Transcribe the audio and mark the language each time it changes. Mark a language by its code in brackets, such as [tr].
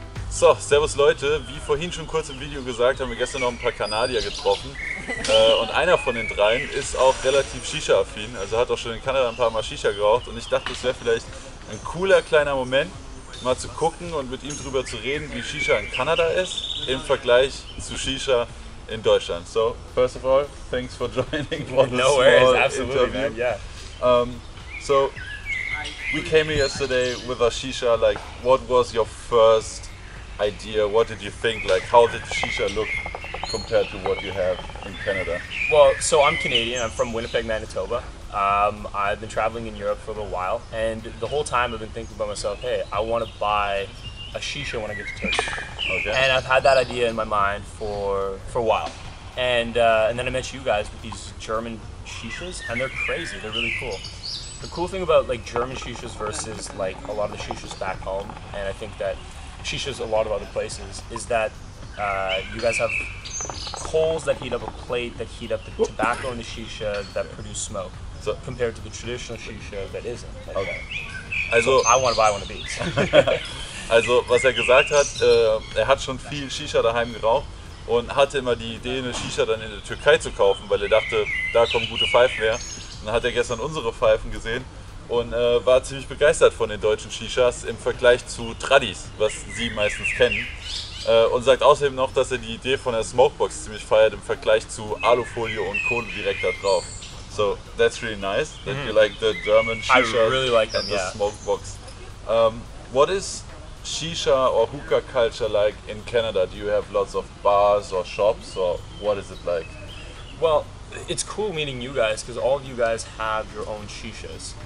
[de] So, servus Leute. Wie vorhin schon kurz im Video gesagt, haben wir gestern noch ein paar Kanadier getroffen. Und einer von den dreien ist auch relativ Shisha-affin. Also hat auch schon in Kanada ein paar Mal Shisha geraucht. Und ich dachte, es wäre vielleicht ein cooler kleiner Moment, mal zu gucken und mit ihm drüber zu reden, wie Shisha in Kanada ist im Vergleich zu Shisha in Deutschland. [en] So, first of all, thanks for joining for this small interview. No worries, absolutely, man, yeah. So, we came here yesterday with a Shisha, like, what was your first idea? What did you think? Like, how did Shisha look compared to what you have in Canada? Well, so I'm Canadian, I'm from Winnipeg, Manitoba. I've been traveling in Europe for a little while, and the whole time I've been thinking about myself, hey, I want to buy a Shisha when I get to Turkey. Okay. And I've had that idea in my mind for a while. And then I met you guys with these German Shishas, and they're crazy, they're really cool. The cool thing about like German Shishas versus like a lot of the Shishas back home, and I think that Shishas a lot of other places, is that you guys have coals that heat up a plate, that heat up the tobacco in the Shisha that produce smoke. So, compared to the traditional Shisha that isn't. Like, okay. Also, I want to buy one of these. [de] Also, was er gesagt hat, er hat schon viel Shisha daheim geraucht und hatte immer die Idee, eine Shisha dann in der Türkei zu kaufen, weil er dachte, da kommen gute Pfeifen her. Und dann hat er gestern unsere Pfeifen gesehen und war ziemlich begeistert von den deutschen Shishas im Vergleich zu Tradis, was sie meistens kennen. Und sagt außerdem noch, dass er die Idee von der Smokebox ziemlich feiert im Vergleich zu Alufolie und Kohle direkt da drauf. [en] So, that's really nice that you like the German Shisha. I really like them, the yeah. Smokebox. What is Shisha or hookah culture like in Canada? Do you have lots of bars or shops or what is it like? Well, it's cool meeting you guys because all of you guys have your own Shishas.